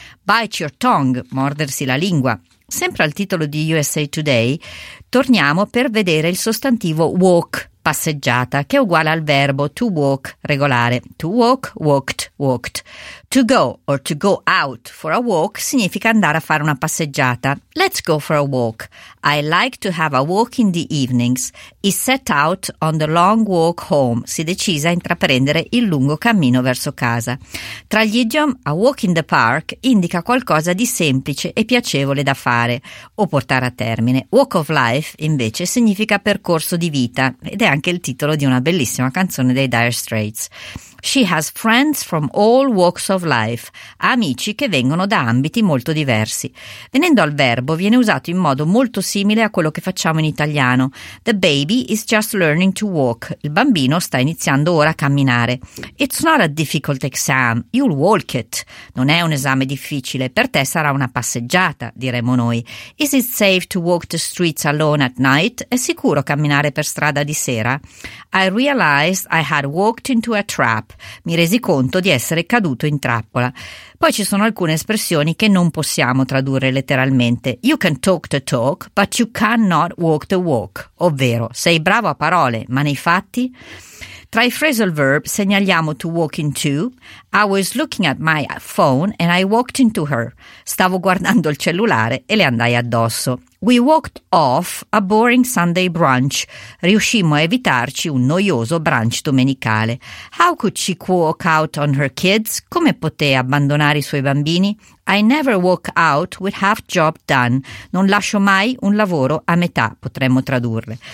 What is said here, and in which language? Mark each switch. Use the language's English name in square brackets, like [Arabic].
[English] Bite your tongue, [Italian] mordersi la lingua. Sempre al titolo di USA Today, torniamo per vedere il sostantivo walk, passeggiata, che è uguale al verbo to walk, regolare. [English] To walk, walked, walked. To go or to go out for a walk [Italian] significa andare a fare una passeggiata. [English] Let's go for a walk. I like to have a walk in the evenings. He set out on the long walk home. [Italian] Si decise a intraprendere il lungo cammino verso casa. Tra gli idiom, [English] a walk in the park [Italian] indica qualcosa di semplice e piacevole da fare o portare a termine. Walk of life, invece, significa percorso di vita ed è anche il titolo di una bellissima canzone dei Dire Straits. [English] She has friends from all walks of life, [Italian] amici che vengono da ambiti molto diversi. Venendo al verbo, viene usato in modo molto simile a quello che facciamo in italiano. [English] The baby is just learning to walk. [Italian] Il bambino sta iniziando ora a camminare. [English] It's not a difficult exam, you'll walk it. [Italian] Non è un esame difficile, per te sarà una passeggiata, diremo noi. [English] Is it safe to walk the streets alone at night? [Italian] È sicuro camminare per strada di sera? [English] I realized I had walked into a trap. [Italian] Mi resi conto di essere caduto in trappola. Poi ci sono alcune espressioni che non possiamo tradurre letteralmente. [English] You can talk the talk, but you cannot walk the walk. [Italian] Ovvero, sei bravo a parole, ma nei fatti? Tra i phrasal verb segnaliamo to walk into. [English] I was looking at my phone and I walked into her. [Italian] Stavo guardando il cellulare e le andai addosso. [English] We walked off a boring Sunday brunch. [Italian] Riuscimmo a evitarci un noioso brunch domenicale. [English] How could she walk out on her kids? [Italian] Come poté abbandonare i suoi bambini? [English] I never walk out with half job done. [Italian] Non lascio mai un lavoro a metà, potremmo tradurre.